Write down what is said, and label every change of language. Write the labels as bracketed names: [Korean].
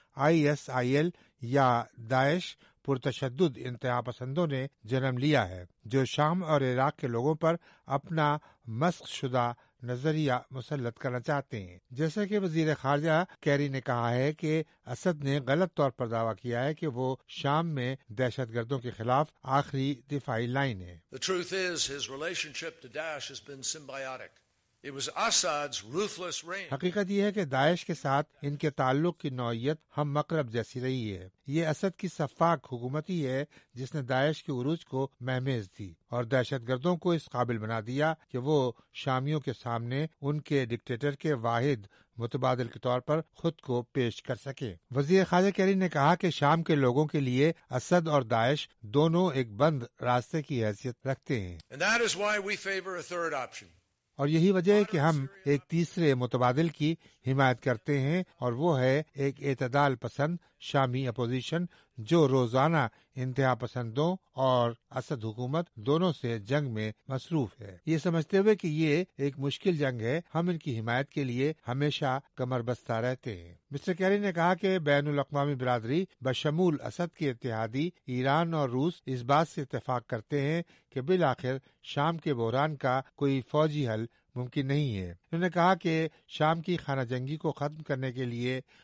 [Urdu] ISIL یا داعش پرتشدد انتہا پسندوں نے جنم لیا ہے، جو شام اور عراق کے لوگوں پر اپنا مسخ شدہ نظریہ مسلط کرنا چاہتے ہیں۔ جیسا کہ وزیر خارجہ کیری نے کہا ہے کہ اسد نے غلط طور پر دعویٰ کیا ہے کہ وہ شام میں دہشت گردوں کے خلاف آخری دفاعی لائن ہے۔ [English] The truth is, his relationship to Daesh has been symbiotic. It was Assad's ruthless reign. [Urdu] حقیقت یہ ہے کہ داعش کے ساتھ ان کے تعلق کی نوعیت ہم مقرب جیسی رہی ہے۔ یہ اسد کی صفاق حکومت ہی ہے جس نے داعش کے عروج کو مہمیز دی اور دہشت گردوں کو اس قابل بنا دیا کہ وہ شامیوں کے سامنے ان کے ڈکٹیٹر کے واحد متبادل کے طور پر خود کو پیش کر سکے۔ وزیر خارجہ کیری نے کہا کہ شام کے لوگوں کے لیے اسد اور داعش دونوں ایک بند راستے کی حیثیت رکھتے ہیں، [English] And that is why we favor a third option. [Urdu] اور یہی وجہ ہے کہ ہم ایک تیسرے متبادل کی حمایت کرتے ہیں، اور وہ ہے ایک اعتدال پسند شامی اپوزیشن جو روزانہ انتہا پسندوں اور اسد حکومت دونوں سے جنگ میں مصروف ہے۔ یہ سمجھتے ہوئے کہ یہ ایک مشکل جنگ ہے، ہم ان کی حمایت کے لیے ہمیشہ کمر بستہ رہتے ہیں۔ مسٹر کیری نے کہا کہ بین الاقوامی برادری بشمول اسد کے اتحادی ایران اور روس اس بات سے اتفاق کرتے ہیں کہ بالآخر شام کے بحران کا کوئی فوجی حل ممکن نہیں ہے۔ انہوں نے کہا کہ شام کی خانہ جنگی کو ختم کرنے کے لیے